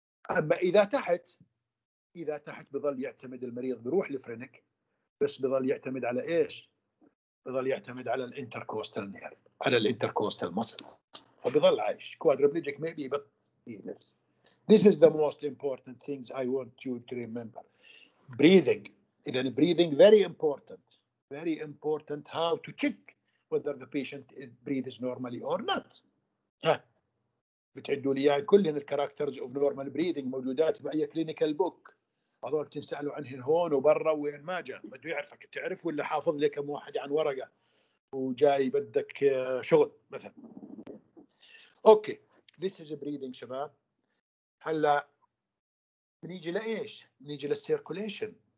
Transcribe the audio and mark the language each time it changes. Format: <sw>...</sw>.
<ar>أما إذا تحت بظل يعتمد المريض بروح لفرينك بس بظل يعتمد على إيش؟ بظل يعتمد على الانتركوستال نير على الانتركوستال مسل فبظل عايش</ar> <en>quadriplegic maybe but yes. This is the most important things I want you to remember. Breathing.</en> <ar>إذن</ar> <en>breathing very important. very important how to check whether the patient breathes normally or not.</en> <ar>بتعدوا لي اياها كلهن</ar> <en>الكاركترز of normal breathing</en> <ar>موجودات</ar> <en>By clinical book.</en> <ar>هذول تنسالوا عنهن هون وبرا وين ما جاء، بده يعرفك تعرف ولا حافظ لك كم واحد عن ورقه وجاي بدك شغل مثلا. اوكي،</ar> <en>this is breathing</en> <ar>شباب. هلا بنيجي لايش؟ بنيجي للسيركوليشن.</ar>